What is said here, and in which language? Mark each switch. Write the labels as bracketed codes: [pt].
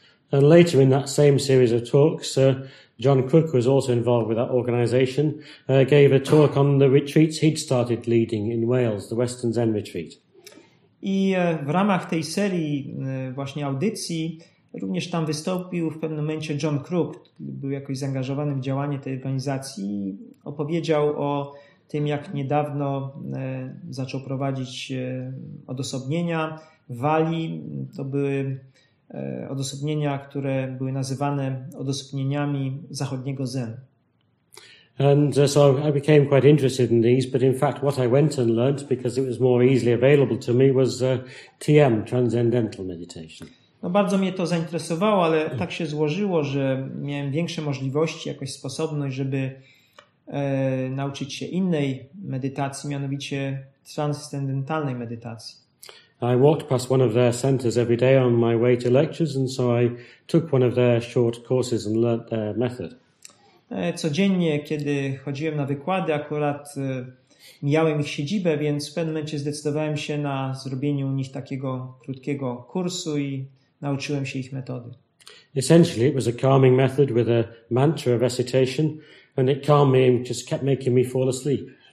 [en] And later in that same series of talks, John Crook was also involved with that organization, gave a talk on the retreats he'd started leading in Wales, the Western Zen retreat. [pl] I w ramach tej serii właśnie audycji również tam wystąpił w pewnym momencie John Crook, był jakoś zaangażowany w działanie tej organizacji i opowiedział o tym, jak niedawno zaczął prowadzić odosobnienia w Walii. To były odosobnienia, które były nazywane odosobnieniami zachodniego Zen. [en] And so I became quite interested in these, but in fact what I went and learned, because it was more easily available to me, was TM, Transcendental Meditation. [pl] No, bardzo mnie to zainteresowało, ale tak się złożyło, że miałem większe możliwości, jakąś sposobność, żeby nauczyć się innej medytacji, mianowicie transcendentalnej medytacji. [en] I walked past one of their centers every day on my way to lectures and so I took one of their short courses and learnt their method. [pl] Codziennie, kiedy chodziłem na wykłady, akurat mijałem ich siedzibę, więc w pewnym momencie zdecydowałem się na zrobienie u nich takiego krótkiego kursu i nauczyłem się ich metody. [en] Essentially, it was a calming method with a mantra recitation and it calmed me and just kept making me fall asleep.